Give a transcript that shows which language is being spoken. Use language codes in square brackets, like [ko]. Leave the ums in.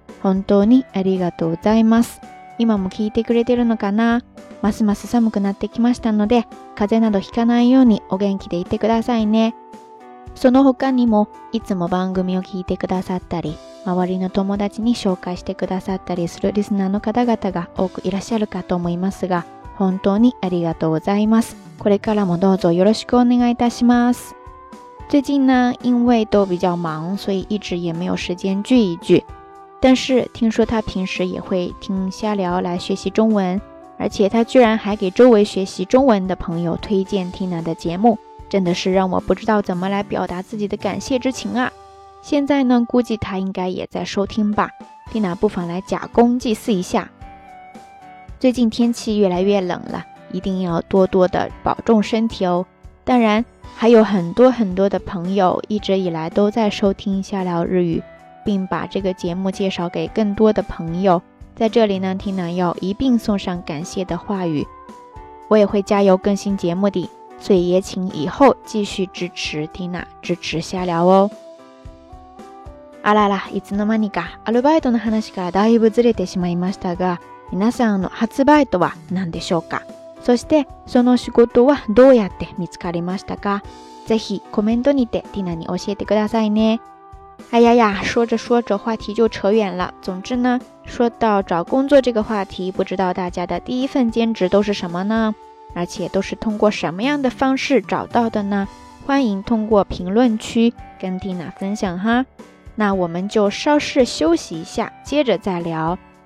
[ja] 本当にありがとうございます。今も聞いてくれてるのかなますます寒くなってきましたので、風邪などひかないようにお元気でいてくださいね。その他にも、いつも番組を聞いてくださったり、周りの友達に紹介してくださったりするリスナーの方々が多くいらっしゃるかと思いますが、本当にありがとうございます。これからもどうぞよろしくお願いいたします。 [zh] 最近呢，因为都比较忙，所以一直也没有时间聚一聚。但是听说他平时也会听瞎聊来学习中文。而且他居然还给周围学习中文的朋友推荐 Tina 的节目，真的是让我不知道怎么来表达自己的感谢之情啊！现在呢，估计他应该也在收听吧，Tina 不妨来假公济私一下。最近天气越来越冷了，一定要多多的保重身体哦！当然还有很多很多的朋友一直以来都在收听下聊日语，并把这个节目介绍给更多的朋友。在这里呢，听娜要一并送上感谢的话语。我也会加油更新节目的，所以也请以后继续支持缇娜，支持瞎聊哦。 [ja] あらら、いつの間にかアルバイトの話からだいぶずれてしまいましたが、皆さんの初バイトは何でしょうかそして、その仕事はどうやって見つかりましたかぜひコメントにてティナに教えてくださいね。 [zh] 哎呀呀，说着说着话题就扯远了。总之呢，说到找工作这个话题，不知道大家的第一份兼职都是什么呢？而且都是通过什么样的方式找到的呢？欢迎通过评论区跟蒂娜分享哈。那我们就稍事休息一下，接着再聊。